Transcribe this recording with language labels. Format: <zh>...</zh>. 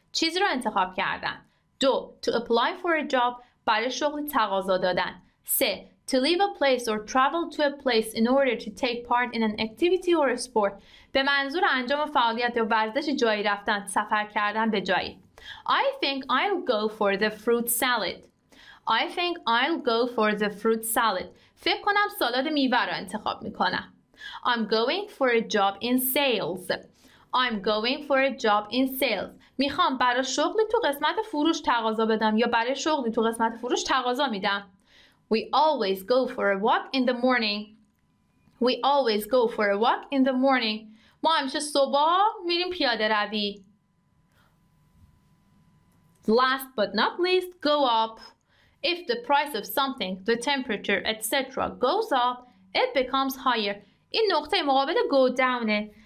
<fa>چیز رو انتخاب کردن.</fa> <en>2. To apply for a job.</en> <fa>برای شغل تقاضا دادن.</fa> <en>3. To leave a place or travel to a place in order to take part in an activity or a sport.</en> <fa>به منظور انجام فعالیت یا ورزش جایی رفتن، سفر کردن به جایی.</fa> <en>I think I'll go for the fruit salad. I think I'll go for the fruit salad.</en> <fa>فکر کنم سالاد میوه رو انتخاب میکنم.</fa> <en>I'm going for a job in sales. I'm going for a job in sales.</en> <fa>میخوام برای شغلی تو قسمت فروش تقاضا بدم یا برای شغلی تو قسمت فروش تقاضا میدم.</fa> <en>We always go for a walk in the morning. We always go for a walk in the morning.</en> <fa>ما همیشه صبح میریم پیاده روی.</fa> <en>Last but not least, go up. If the price of something, the temperature, etc. goes up, it becomes higher.</en> <fa>این نقطه مقابل go downه.</fa>